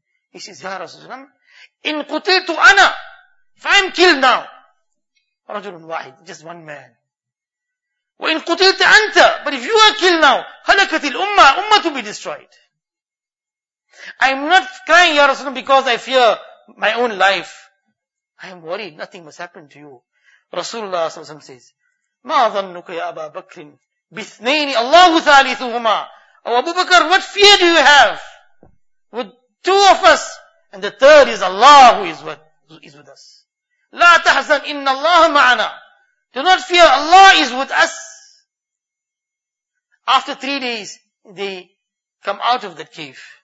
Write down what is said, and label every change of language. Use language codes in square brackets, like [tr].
[en] He says, "Ya Rasulullah, [ar] in qutiltu ana, [en] if I'm killed now, [ar] rajulun wahid, [en] just one man. [ar] Wa in qutilta anta, [en] but if you are killed now, [ar] halakatil ummah, [en] ummah to be destroyed. I'm not crying, Ya Rasulullah, because I fear my own life. I am worried, nothing must happen to you." Rasulullah sallallahu alayhi wa sallam says, [ar] "ما ظنك يا أبا بكر باثنين الله ثالثهما." [en] "Oh Abu Bakr, what fear do you have with two of us? And the third is Allah who is with us." [ar] "لا تحزن إن الله معنا." [en] "Do not fear, Allah is with us." After 3 days, they come out of that cave.